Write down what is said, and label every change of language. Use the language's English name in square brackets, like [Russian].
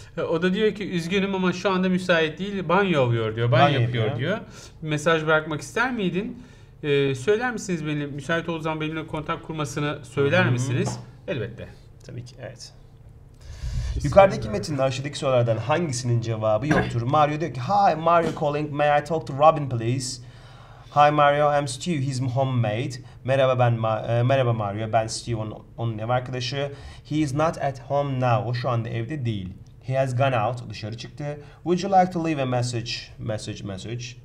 [Turkish] O da diyor ki üzgünüm ama şu anda müsait değil. Banyo oluyor diyor. Banyo yapıyor diyor. Bir mesaj bırakmak ister miydin? Söyler misiniz benimle? Müsait olduğu zaman benimle kontak kurmasını söyler misiniz? Elbette. Tabii ki evet. Yukarıdaki metinde aşağıdaki sorulardan hangisinin cevabı yoktur? Mario diyor ki [English] hi Mario calling. May I talk to Robin please? Hi Mario, I'm Steve, he's homemade. [Turkish] Merhaba ben merhaba Mario, ben Steve, onun ev arkadaşı. [English] He is not at home now, [Turkish] o şu anda evde değil. [English] He has gone out, [Turkish] dışarı çıktı. [English] Would you like to leave a message?